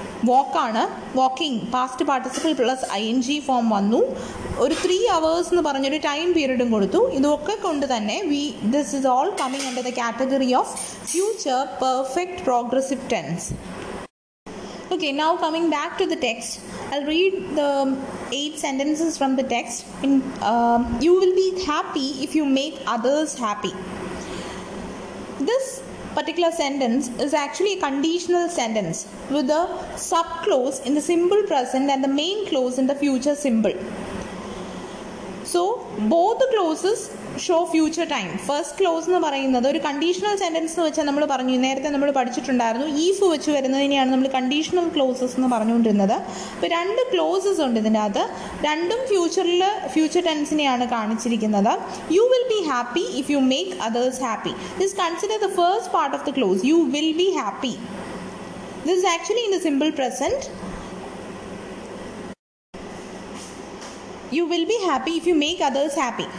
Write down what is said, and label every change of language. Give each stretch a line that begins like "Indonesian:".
Malayalam: വാക്കാണ് walking past participle plus I N G form വന്നു ഒരു 3 hours എന്ന് പറഞ്ഞൊരു ടൈം പീരീഡും കൊടുത്തു ഇതൊക്കെ കൊണ്ട് തന്നെ
English: This is all coming under the category of future perfect progressive tense Okay, now coming back to the text, I'll read the 8 sentences from the text. You will be happy if you make others happy. This particular sentence is actually a conditional sentence with a subclause in the simple present and the main clause in the future simple. So, both the clauses show future time. First clause
Malayalam: എന്ന് പറയുന്നത് ഒരു conditional sentence എന്ന് വെച്ചാൽ നമ്മൾ പറഞ്ഞു നേരത്തെ നമ്മൾ പഠിച്ചിട്ടുണ്ടായിരുന്നു if വെച്ച് വരുന്നതിനെയാണ് നമ്മൾ കണ്ടീഷണൽ ക്ലോസസ് എന്ന് പറഞ്ഞുകൊണ്ടിരുന്നത് അപ്പോൾ രണ്ട് ക്ലോസസ് ഉണ്ട് ഇതിൻ്റെ അകത്ത് രണ്ടും ഫ്യൂച്ചറിൽ ഫ്യൂച്ചർ ടെൻസിനെയാണ് കാണിച്ചിരിക്കുന്നത്
English: You will be happy if you make others happy this consider the first part of the clause you will be happy this actually in the simple present You will be happy if you make others happy.